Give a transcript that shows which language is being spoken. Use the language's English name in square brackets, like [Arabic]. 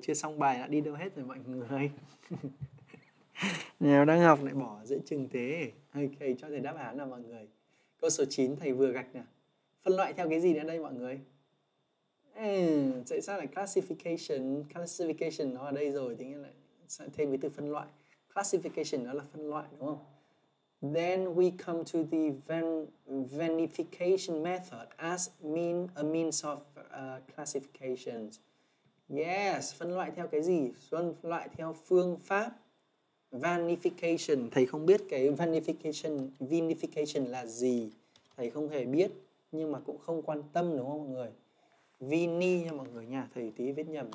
[Vietnamese] Chưa xong bài đã đi đâu hết rồi mọi người? Nào đang học lại bỏ dễ chừng thế. Ok, cho thầy đáp án nào mọi người. Câu số 9 thầy vừa gạch nè. Phân loại theo cái gì nữa đây mọi người? Tại sao lại classification? Classification nó ở đây rồi, thế nên lại thêm cái từ phân loại. Classification đó là phân loại đúng không? [English] Then we come to the vinification method as a means of classification. [Vietnamese] Yes, phân loại theo cái gì? Phân loại theo phương pháp vinification. Thầy không biết cái vinification là gì. Thầy không hề biết nhưng mà cũng không quan tâm đúng không mọi người? Vini nha mọi người nha, thầy tí viết nhầm.